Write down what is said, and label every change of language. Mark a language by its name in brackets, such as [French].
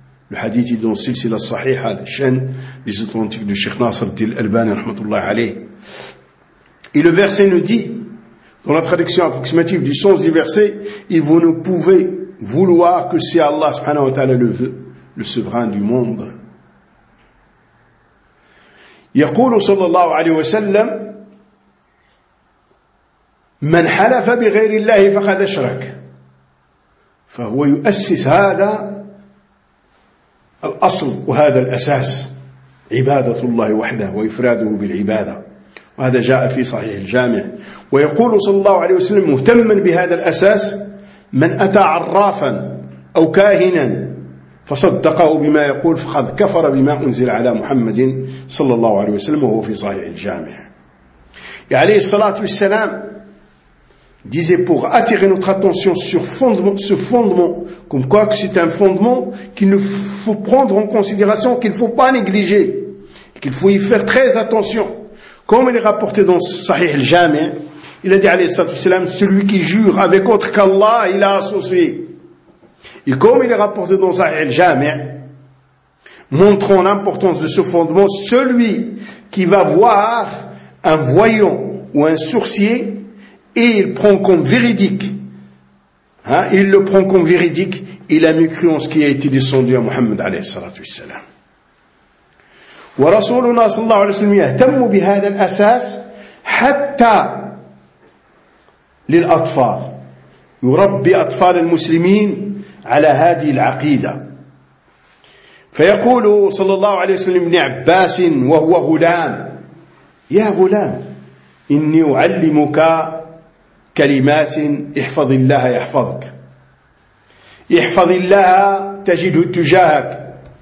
[French] Le hadith est dans Silsila Sahiha, la chaîne des authentiques du Cheikh Nasr Dil Albani, [Arabic] rahmatullah alayh. [French] Et le verset nous dit, dans la traduction approximative du sens du verset, et vous ne pouvez vouloir que si Allah subhanahu wa ta'ala le veut, le souverain du monde. [Arabic] يقول صلى الله عليه وسلم من حلف بغير الله فقد أشرك، فهو يؤسس هذا الأصل وهذا الأساس عبادة الله وحده وإفراده بالعبادة، وهذا جاء في صحيح الجامع. ويقول صلى الله عليه وسلم مهتما بهذا الأساس من أتى عرافا أو كاهنا فصدقه بما يقول فقد كفر بما أنزل على محمد صلى الله عليه وسلم وهو في صحيح الجامع. عليه الصلاة والسلام [French] disait pour attirer notre attention sur ce fondement, comme quoi que c'est un fondement qu'il ne faut prendre en considération, qu'il ne faut pas négliger, qu'il faut y faire très attention. Comme il est rapporté dans Sahih al-Jami', il a dit, [Arabic] alayhi salatu wassalam, [French] celui qui jure avec autre qu'Allah, il a associé. Et comme il est rapporté dans Sahih al-Jami', montrant l'importance de ce fondement, celui qui va voir un voyant ou un sorcier, et il prend comme véridique, il le prend comme véridique, il a mieux cru en ce qui a été descendu à Muhammad [Arabic] alayhi salatu wassalam. ورسولنا صلى الله عليه وسلم يهتم بهذا الأساس حتى للأطفال، يربي أطفال المسلمين على هذه العقيدة. فيقول صلى الله عليه وسلم ابن عباس وهو غلام: يا غلام، إني أعلمك كلمات، احفظ الله يحفظك، احفظ الله تجده تجاهك،